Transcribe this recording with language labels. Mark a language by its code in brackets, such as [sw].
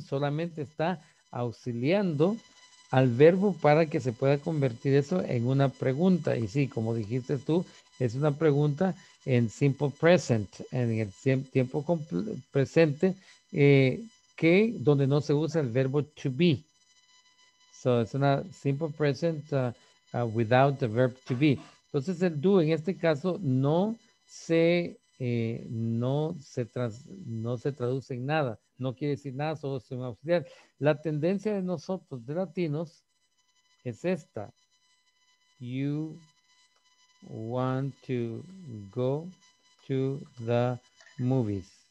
[es] Solamente está auxiliando al verbo para que se pueda convertir eso en una pregunta. Y sí, como dijiste tú, es una pregunta en simple present, en el tiempo presente, que donde no se usa el verbo to be. [en] So, it's a simple present without the verb to be. [es] Entonces, el do en este caso no se traduce en nada. No quiere decir nada, solo es un auxiliar. La tendencia de nosotros, de latinos, es esta. [en] You want to go to the movies.